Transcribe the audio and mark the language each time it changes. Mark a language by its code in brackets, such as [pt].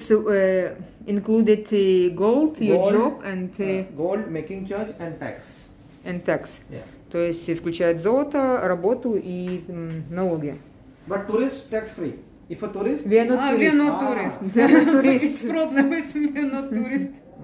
[en] It's included gold, your job and... Gold, making charge and tax. And tax. Yeah. [ru] То есть включает золото, работу и налоги. [en] But tourist tax-free. If a tourist? We are not tourists. We are not tourists. We are not tourists. It's problem with me, we are not tourists.